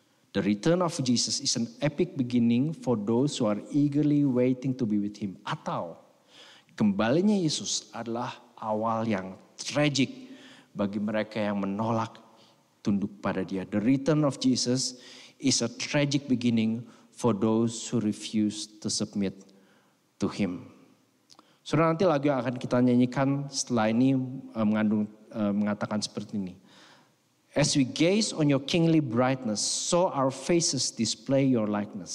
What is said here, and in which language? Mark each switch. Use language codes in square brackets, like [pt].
[en] The return of Jesus is an epic beginning for those who are eagerly waiting to be with him. [id] Atau, kembalinya Yesus adalah awal yang tragic bagi mereka yang menolak tunduk pada dia. [en] The return of Jesus is a tragic beginning for those who refuse to submit to him. [id] Saudara, nanti lagu yang akan kita nyanyikan setelah ini mengatakan seperti ini. [en] As we gaze on your kingly brightness, so our faces display your likeness.